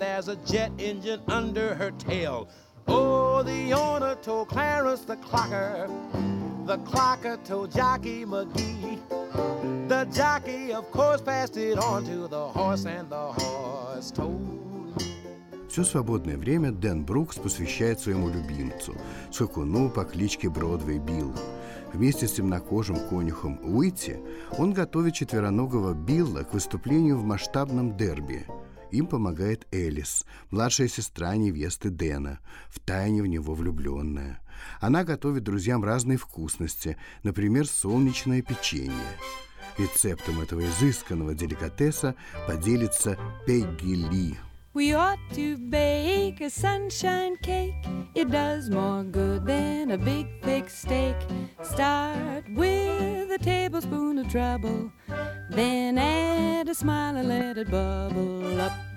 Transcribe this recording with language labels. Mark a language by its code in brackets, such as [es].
[en] There's a jet engine under her tail. Oh, the owner told Clarence the clocker told Jockey McGee. The jockey, of course, passed it on to the horse, and the horse told. [ru] Все свободное время Дэн Брукс посвящает своему любимцу, скакуну по кличке Бродвей Билл. Вместе с темнокожим конюхом Уитти он готовит четвероногого Билла к выступлению в масштабном дерби. Им помогает Элис, младшая сестра невесты Дэна, втайне в него влюбленная. Она готовит друзьям разные вкусности, например, солнечное печенье. Рецептом этого изысканного деликатеса поделится Пегги Ли. [en] We ought to bake a sunshine cake. It does more good than a big thick steak. Start with a tablespoon of trouble, then add a smile and let it bubble up.